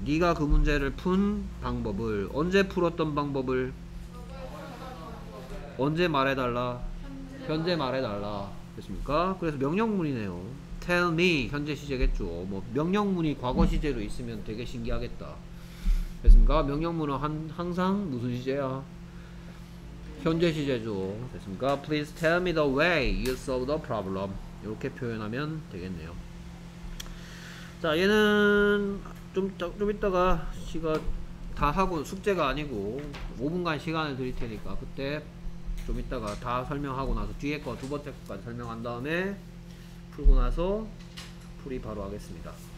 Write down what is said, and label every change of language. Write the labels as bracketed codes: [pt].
[ko] 네가 그 문제를 푼 방법을 언제 풀었던 방법을 언제 말해달라? 현재 말해달라. 됐습니까? 그래서 명령문이네요. Tell me 현재 시제겠죠. 뭐 명령문이 과거 시제로 있으면 되게 신기하겠다. 됐습니까? 명령문은 항상 무슨 시제야? 현재 시제죠. 됐습니까? [en] Please tell me the way you solve the problem. [ko] 이렇게 표현하면 되겠네요. 자, 얘는 좀 이따가 시가 다 하고 숙제가 아니고 5분간 시간을 드릴 테니까 그때 좀 이따가 다 설명하고 나서 뒤에 거 두 번째 거까지 설명한 다음에 풀고 나서 풀이 바로 하겠습니다.